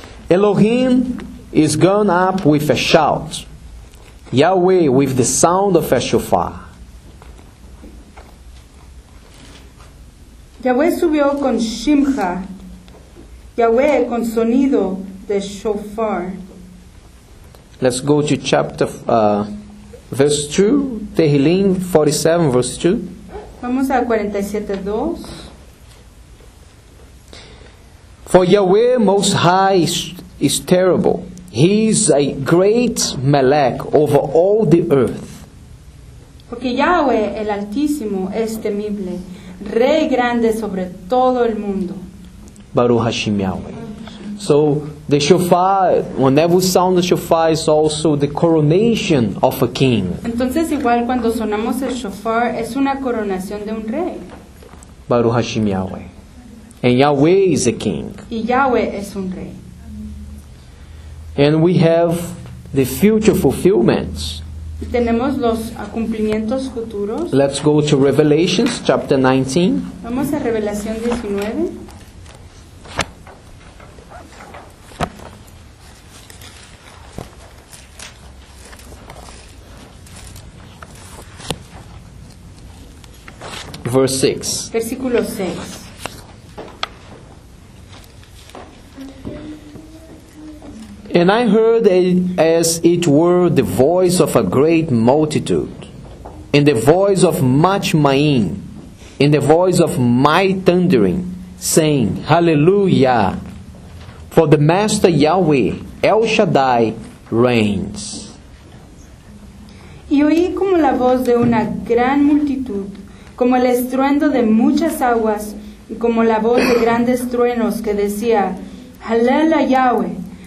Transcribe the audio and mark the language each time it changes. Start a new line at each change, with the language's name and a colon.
English: Elohim is gone up with a shout, Yahweh with the sound of a shofar.
Spanish: Yahweh subió con Shimcha, Yahweh con sonido de shofar.
English: Let's go to chapter, verse 2, Tehillim 47, verse 2.
Spanish: Vamos a 47:2.
English: For Yahweh Most High is terrible. He is a great Melech over all the earth.
Spanish: Porque Yahweh el Altísimo es temible. Rey grande sobre todo el mundo.
Hebrew: Baruch Hashem Yahweh.
English: So the shofar, whenever we sound the shofar, is also the coronation of a king.
Spanish: Entonces igual cuando sonamos el shofar es una coronación de un rey.
Hebrew: Baruch Hashem
English: Yahweh. And Yahweh is a king.
Spanish: Y Yahweh es un rey.
English: And we have the future fulfillments.
Spanish: Tenemos los cumplimientos futuros.
English: Let's go to Revelation chapter 19.
Spanish: Vamos a Revelación 19.
English: Verse 6.
Spanish: Versículo 6.
English: And I heard as it were the voice of a great multitude, and the voice of much maim, and the voice of mighty thundering, saying, Hallelujah, for the Master Yahweh, El Shaddai, reigns.
Spanish: Y oí como la voz de una gran multitud, como el estruendo de muchas aguas, y como la voz de grandes truenos que decía, Hallelujah, Yahweh.